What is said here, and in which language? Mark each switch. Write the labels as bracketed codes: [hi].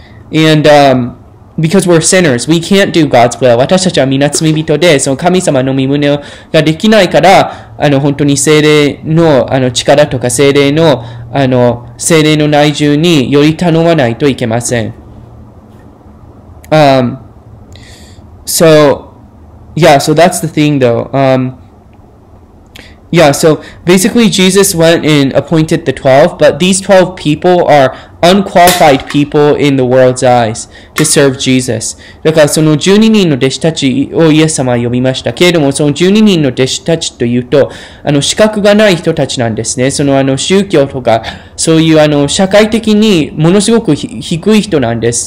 [en] And because we're sinners, we can't do God's will. [ja] 私たちは皆罪人で、その神様の御旨ができないから、本当に聖霊の力とか聖霊の聖霊の内住により頼まないといけません。 [en] So that's the thing though. So basically Jesus went and appointed the 12, but these 12 people are unqualified people in the world's eyes to serve Jesus. [ja] だからその12人の弟子たちをイエス様は呼びましたけれども、その12人の弟子たちというと、資格がない人たちなんですね。その宗教とか、そういう社会的にものすごく低い人なんです。